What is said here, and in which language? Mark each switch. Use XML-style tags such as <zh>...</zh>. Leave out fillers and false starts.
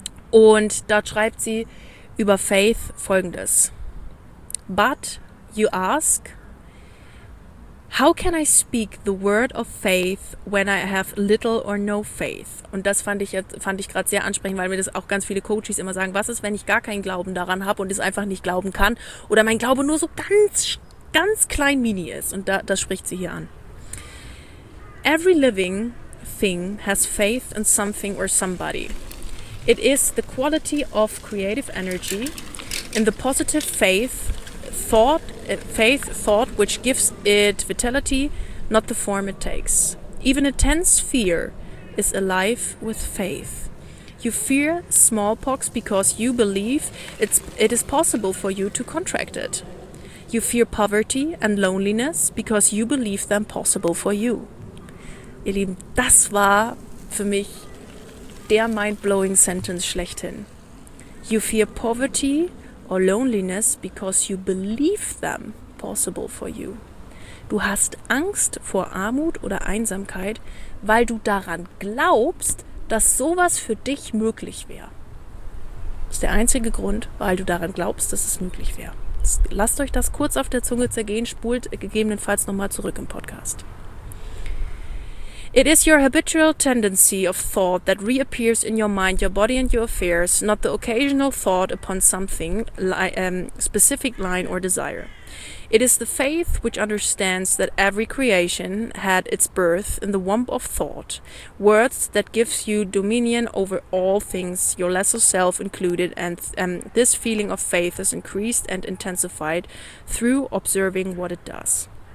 <de>Und dort schreibt sie über Faith Folgendes.</de> <en>But you ask, how can I speak the word of faith when I have little or no faith?</en> <de>Und das fand ich gerade sehr ansprechend, weil mir das auch ganz viele Coaches immer sagen, was ist, wenn ich gar keinen Glauben daran habe und es einfach nicht glauben kann oder mein Glaube nur so ganz, ganz klein mini ist. Und das spricht sie hier an.</de> <en>Every living thing has faith in something or somebody. It is the quality of creative energy in the positive faith thought, which gives it vitality, not the form it takes. Even a tense fear is alive with faith. You fear smallpox because you believe it is possible for you to contract it. You fear poverty and loneliness because you believe them possible for you.</en> <de>Ihr Lieben, das war für mich der</de> <en>mind-blowing sentence</en> <de>schlechthin.</de> <en>You fear poverty or loneliness because you believe them possible for you.</en> <de>Du hast Angst vor Armut oder Einsamkeit, weil du daran glaubst, dass sowas für dich möglich wäre. Das ist der einzige Grund, weil du daran glaubst, dass es möglich wäre. Lasst euch das kurz auf der Zunge zergehen, spult gegebenenfalls nochmal zurück im Podcast.</de> <en>It is your habitual tendency of thought that reappears in your mind, your body and your affairs, not the occasional thought upon something, specific line or desire. It is the faith which understands that every creation had its birth in the womb of thought, words that gives you dominion over all things, your lesser self included, and this feeling of faith is increased and intensified through observing what it does.</en>